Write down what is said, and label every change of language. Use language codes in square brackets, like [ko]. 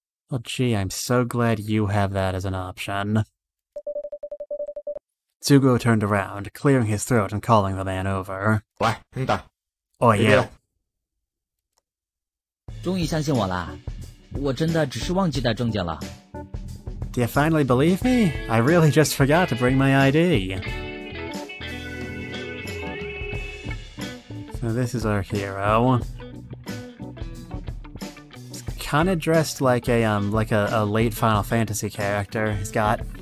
[en] Well, gee, I'm so glad you have that as an option. Tsugo turned around, clearing his throat and calling the man over. [zh] 喂兄弟 [en] Oh yeah. [zh] 终于相信我了我真的只是忘记带证件了。 [en] Do you finally believe me? I really just forgot to bring my ID. So this is our hero. He's kind of dressed like a late Final Fantasy character. He's got...